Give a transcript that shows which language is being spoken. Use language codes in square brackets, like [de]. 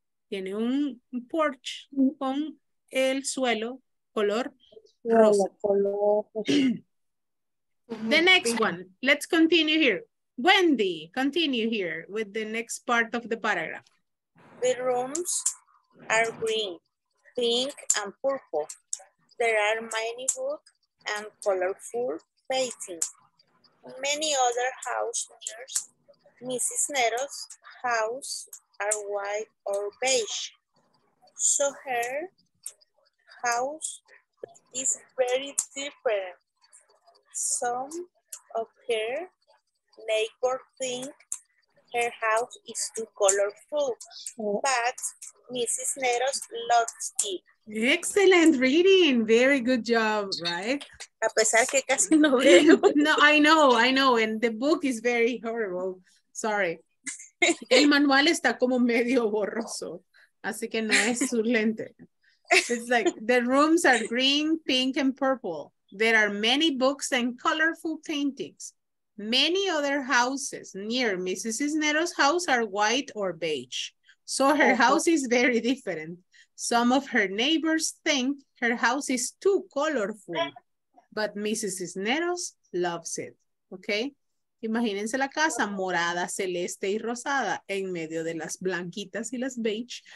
[es] Tiene un porch con el suelo color rosa. [en] The next one, let's continue here. Wendy, continue here with the next part of the paragraph. The rooms are green, pink, and purple. There are many books and colorful paintings. Many other housemates, Mrs. Nero's house are white or beige. So her house is very different. Some of her neighbor think her house is too colorful, but Mrs. Neros loves it. Excellent reading, very good job, right? [es] A pesar que casi no veo. [en] No, I know, and the book is very horrible, sorry. [es] El manual está como medio borroso, así que no es su lente. [en] It's like, the rooms are green, pink, and purple. There are many books and colorful paintings. Many other houses near Mrs. Cisneros' house are white or beige. So her house is very different. Some of her neighbors think her house is too colorful, but Mrs. Cisneros loves it, okay? [es] Imagínense la casa morada, celeste y rosada en medio de las blanquitas y las beige.